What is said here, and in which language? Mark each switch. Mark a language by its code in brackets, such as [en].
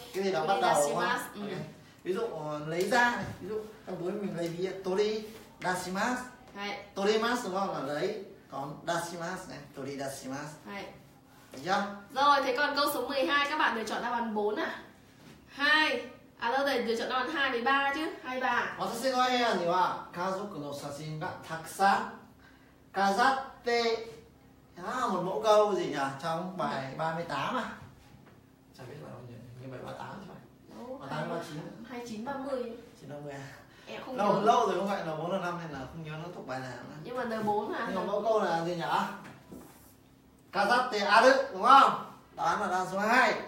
[vi] Cái gì đó bắt đầu đúng không? Ừ. Okay. Ví dụ lấy ra, ví dụ trong túi mình lấy ví [ja] tori dashimasu. [vi] Hay. [ja] Tori mas [vi] đúng không? Là lấy, còn dashimasu này, [ja] tori dashimasu. [vi] Hay. Được chưa? Rồi, thế còn câu số 12 các bạn được chọn đáp án 4 à? 2. À đâu đây, được chọn đáp án 2 với 3 chứ? 2 3. [ja] 私の部屋には家族の写真がたくさん飾って。 [vi] À, một mẫu câu gì nhỉ? Trong bài 38 à? Chả biết bài bao nhiêu, như bài 38 chứ phải. 38, 39. 29, 30. 30 à? Em không lâu, nhớ. Lâu rồi không phải, N4, N5 nên là không nhớ nó thuộc bài nào. Nhưng mà N4 à? Nhưng mà mẫu câu là gì nhỉ? [ja] Kazatte aru, [vi] đúng không? Đó là đoán số 2.